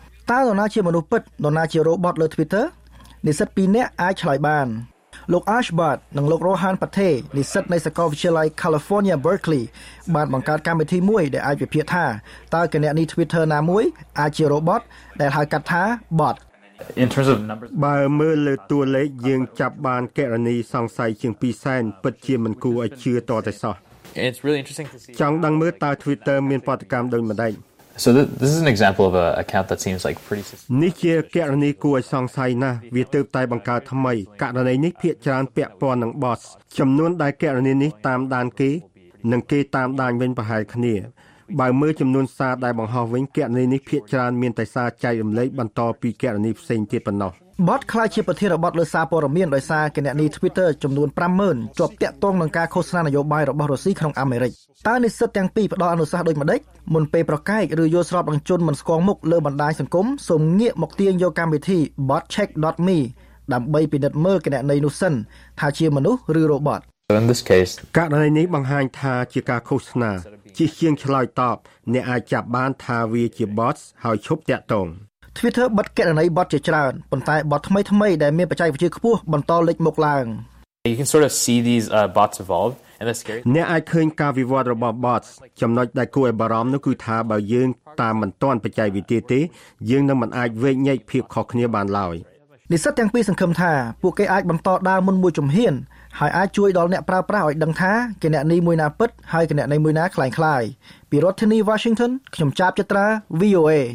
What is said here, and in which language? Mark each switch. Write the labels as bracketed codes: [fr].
[km] តើនរណាជាមនុស្សពិតនរណាជា robot លើ Twitter និស្សិត2នាក់អាចឆ្លើយបានលោក Ashbart និងលោក Rohan Pathe និស្សិតនៃសាកលវិទ្យាល័យ California Berkeley បានបង្កើតកម្មវិធីមួយដែលអាចវិភាគថាតើគណនី Twitter ណាមួយអាចជា robot ដែលហៅកាត់ថា bot [en] In terms of numbers [km] បើមើលលើតួលេខយើងចាប់បានករណីសង្ស័យជាង200,000ពិតជាមិនគួរឲ្យជឿតតែសោះចង់ដឹងមើលតើ Twitter មានប្រតិកម្មដូចម្ដេច [en] So this is an example of a account that seems like pretty suspicious. [km] នេះជាករណីគួរឲ្យសង្ស័យណាស់វាទើបតែបង្កើតថ្មីករណីនេះភាគច្រើនពាក់ព័ន្ធនឹង bots ចំនួនដែលករណីនេះតាមដានគេនិងគេតាមដានវិញប្រហែលគ្នាបើមើលចំនួនសារដែលបង្ហោះវិញករណីនេះភាគច្រើនមានតែសារចែករំលែកបន្តពីករណីផ្សេងទៀតប៉ុណ្ណោះ bot ខ្លះជាប្រធានបទលើសារព័ត៌មានដោយសារគណនី Twitter ចំនួន 50,000 ជាប់ទាក់ទងនឹងការឃោសនានយោបាយរបស់រុស្ស៊ីក្នុងអាមេរិកតើនិស្សិតទាំងពីរផ្ដល់អនុសាសន៍ដូចម្ដេចមុនពេលប្រកែកឬយល់ស្របនឹងជនមិនស្គាល់មុខលើបណ្ដាញសង្គមសូមងាកមកទាញយកកម្មវិធី botcheck.me ដើម្បីពិនិត្យមើលគណនីនោះសិនថាជាមនុស្សឬ robot ករណីនេះបង្ហាញថាជាការឃោសនាជាជាងឆ្លើយតបអ្នកអាចចាប់បានថាវាជា bot ហើយឈប់ទាក់ទង Twitter បិទករណី bot ជាច្រើនប៉ុន្តែ bot ថ្មីៗដែលមានបច្ចេកវិទ្យាខ្ពស់បន្តលេចមុខឡើង [en] You can sort of see these bots evolve. [km] អ្នកអាចឃើញការវិវត្តរបស់ bots ចំណុចដែលគួរឲ្យបារម្ភនោះគឺថាបើយើងតាមមិនទាន់បច្ចេកវិទ្យាទេយើងនឹងមិនអាចវិនិច្ឆ័យភាពខុសគ្នាបានឡើយ និស្សិតទាំងពីរសង្ឃឹមថាពួកគេអាចបន្តដើរមុនមួយជំហានហើយអាចជួយដល់អ្នកប្រើប្រាស់ឲ្យដឹងថាគណនីមួយណាពិតហើយគណនីមួយណាក្លែងក្លាយពីរដ្ឋធានី Washington ខ្ញុំចាប់ចត្រា VOA